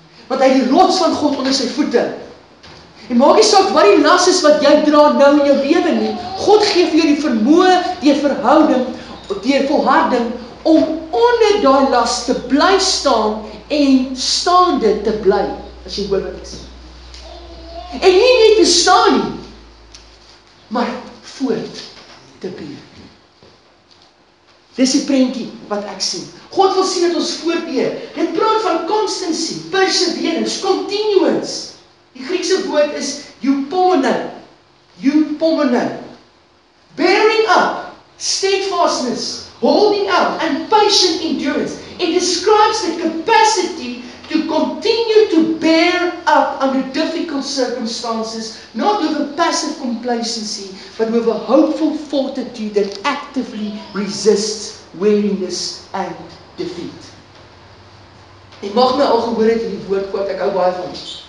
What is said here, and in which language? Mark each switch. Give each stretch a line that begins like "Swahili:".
Afrikaans: Want hy die rots van God onder sy voete. En maak nie saak wat die las is wat jy dra nou in jou lewe nie. God geef jou die vermoë, die verhouding, die volharding, om onder die las te bly staan en staande te bly. As jy hoor wat ek sê. En nie net te staan nie, maar voort te beweeg. Dis die prentjie wat ek sien. God wil sien dat ons voortbeweeg. Dit praat van
English: constancy, perseverance, continuance.
Afrikaans: Die Griekse woord is eupomone. Eupomone.
English: Bearing up, steadfastness, holding out, and patient endurance. It describes the capacity to continue to bear up under difficult circumstances, not over passive complacency, but with a hopeful fortitude that actively resists weariness and defeat.
Afrikaans: Ek mag my al gehoor het in die woordkoot, ek hou baie van ons.